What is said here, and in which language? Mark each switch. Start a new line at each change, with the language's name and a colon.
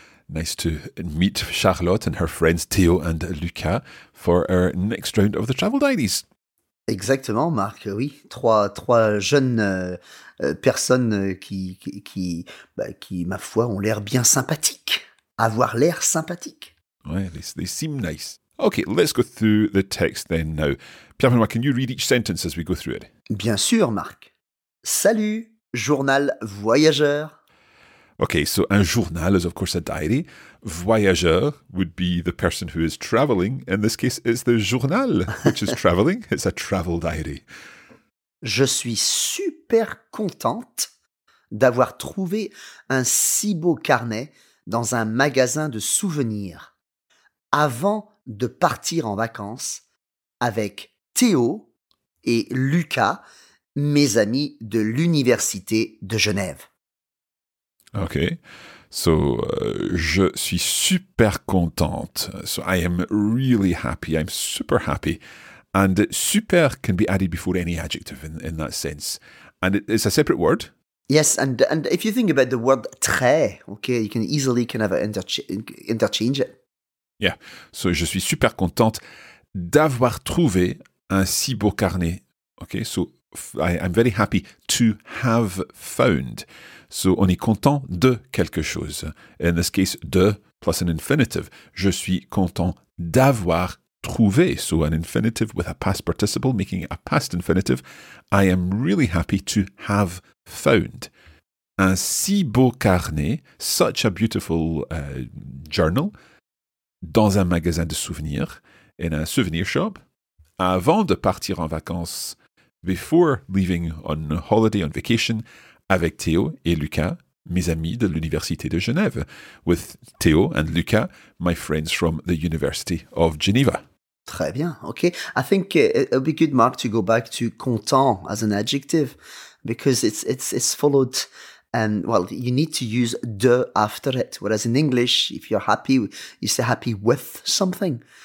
English: Nice to meet Charlotte and her friends Theo and Luca for our next round of the Travel Diaries.
French: Exactement, Marc, oui. Trois jeunes personnes qui, ma foi, ont l'air bien sympathiques. Avoir l'air sympathique.
English: Ouais, they seem nice. Okay, let's go through the text then now. Pierre-Benoît, can you read each sentence as we go through it?
French: Bien sûr, Marc. Salut, journal voyageur.
English: Okay, so un journal is of course a diary. Voyageur would be the person who is traveling. In this case, it's the journal which is traveling. It's a travel diary.
French: Je suis super contente d'avoir trouvé un si beau carnet dans un magasin de souvenirs. Avant de partir en vacances avec Théo et Luca, mes amis de l'Université de Genève. Okay, so je suis super contente.
English: So I am really happy. I'm super happy. And super can be added before any adjective in that sense. And it's a separate word. Yes, and if you think about the word très, okay, you can easily kind of interchange it.
French: Yeah, so je suis super contente d'avoir trouvé un si beau carnet.
English: Okay, so I'm very happy to have found. So,
French: on est content de quelque chose.
English: In this case, de plus an infinitive.
French: Je suis content d'avoir trouvé.
English: So, an infinitive with a past participle, making it a past infinitive. I am really happy to have found.
French: Un si beau carnet,
English: such a beautiful journal,
French: dans un magasin de souvenirs,
English: in a souvenir shop,
French: avant de partir en vacances,
English: before leaving on holiday, on vacation,
French: avec Théo et Luca, mes amis de l'Université de Genève.
English: With Théo and Luca, my friends from the University of Geneva.
French: Très bien, ok.
English: I think it'll be good, Marc, to go back to content as an adjective, because it's followed, well, you need to use de after it. Whereas in English, if you're happy, you say happy with something.